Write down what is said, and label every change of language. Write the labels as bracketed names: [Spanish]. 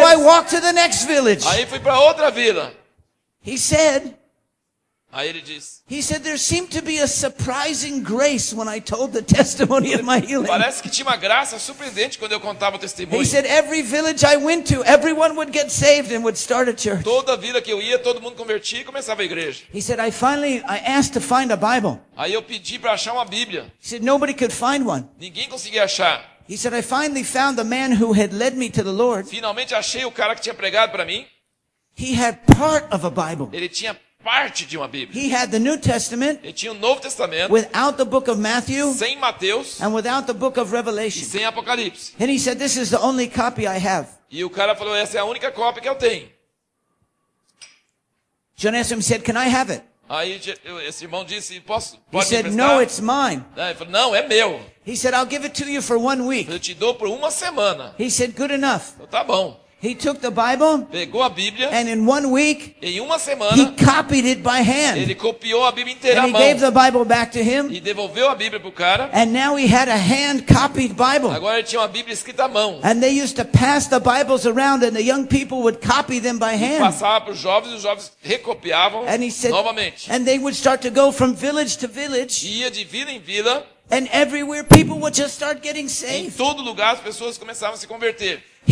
[English] So I walked to the next village. [Portuguese] Aí fui para outra vila. [English] He said. [Portuguese] Aí ele disse. [English] He said there seemed to be a surprising grace when I told the testimony of my healing. [Portuguese] Parece que tinha uma graça surpreendente quando eu contava o testemunho. [English] He said every village I went to, everyone would get saved and would start a church. [Portuguese] Toda vila que eu ia, todo mundo convertia e começava a igreja. [English] He said I asked to find a Bible. [Portuguese] Aí eu pedi para achar uma Bíblia. [English] He said nobody could find one. [Portuguese] Ninguém conseguia achar. [English] He said I finally found the man who had led me to the Lord. [Portuguese] Finalmente achei o cara que tinha pregado para mim. [English] He had part of a Bible. [Portuguese] Ele tinha parte de uma Bíblia. [English] He had the New Testament. [Portuguese] Ele tinha o Novo Testamento. [English] Without the book of Matthew. [Portuguese] Sem Mateus. [English] And without the book of Revelation. [Portuguese] E sem Apocalipse. [English] And he said, "This is the only copy I have." [Portuguese] E o cara falou, "Essa é a única cópia que eu tenho." [English] John Anselm said, "Can I have it?" [Portuguese] Aí esse irmão disse, "Posso? Pode me emprestar?" [English] He said, "No, it's mine." [Portuguese] Aí ele falou, "Não, é meu." [English] He said, "I'll give it to you for 1 week." [Portuguese] Eu te dou por uma semana. [English] He said, "Good enough." [Portuguese] Então, tá bom. [English] He took the Bible, [Portuguese] pegou a Bíblia, [English] and in 1 week, [Portuguese] em uma semana, [English] he copied it by hand. [Portuguese] Ele copiou a Bíblia inteira à mão. [English] And he gave the Bible back to him. [Portuguese] E devolveu a Bíblia pro cara. [English] And now he had a hand-copied Bible. [Portuguese] Agora ele tinha uma Bíblia escrita à mão. [English] And they used to pass the Bibles around, and the young people would copy them by hand. [Portuguese] E passava para os jovens recopiavam [English] and he said, [Portuguese] novamente. [English] And they would start to go from village to village. [Portuguese] E ia de vila em vila. [English] And everywhere people would just start getting saved. [Portuguese] Em todo lugar as pessoas começavam a se converter.